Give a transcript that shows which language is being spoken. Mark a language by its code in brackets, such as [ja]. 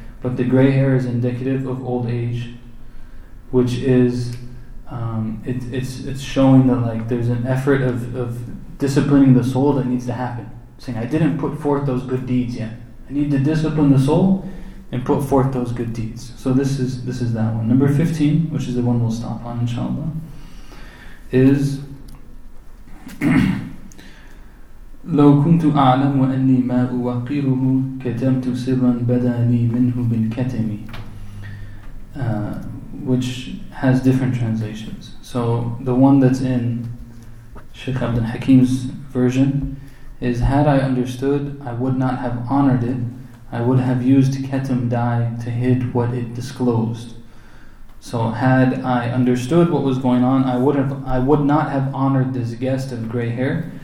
[en] But the gray hair is indicative of old age, which is it's showing that, like, there's an effort of disciplining the soul that needs to happen. Saying, I didn't put forth those good deeds yet. I need to discipline the soul and put forth those good deeds. So this is that one. Number 15, which is the one we'll stop on, inshallah, is [ar] لو كنت أعلم أني ما أوقره كتمت سرا بدا لي منه بالكتم. [en] Which has different translations. So the one that's in Shaykh Abdul Hakim's version is, had I understood, I would not have honored it. I would have used ketum dye to hid what it disclosed. So had I understood what was going on, I would not have honored this guest of gray hair.